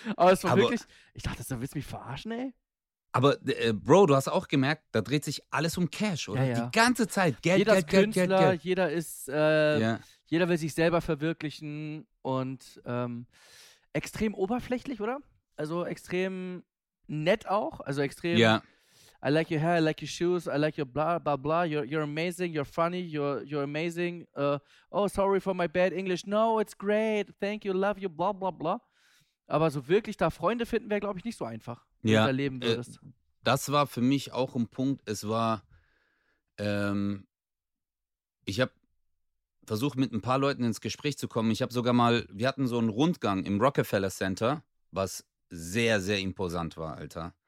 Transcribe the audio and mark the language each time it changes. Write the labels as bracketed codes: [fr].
[de] Aber es war wirklich, ich dachte, willst du mich verarschen, ey? Aber Bro, du hast auch gemerkt, da dreht sich alles um Cash, oder? Ja, ja. Die ganze Zeit. Geld, jeder Geld, ist Geld, Künstler, Geld, Geld. Jeder ist, ja. Jeder will sich selber verwirklichen und extrem oberflächlich, oder? Also extrem nett auch. Also extrem, ja. [en] I like your hair, I like your shoes, I like your blah, blah, blah. You're amazing, you're funny, you're amazing. Oh, sorry for my bad English. No, it's great, thank you, love you, blah, blah, blah. [de] Aber so wirklich da Freunde finden wäre, glaube ich, nicht so einfach, wenn ja, du da leben würdest. Das war für mich auch ein Punkt. Es war, ich habe versucht, mit ein paar Leuten ins Gespräch zu kommen. Ich habe sogar mal, wir hatten so einen Rundgang im Rockefeller Center, was sehr, sehr imposant war, Alter.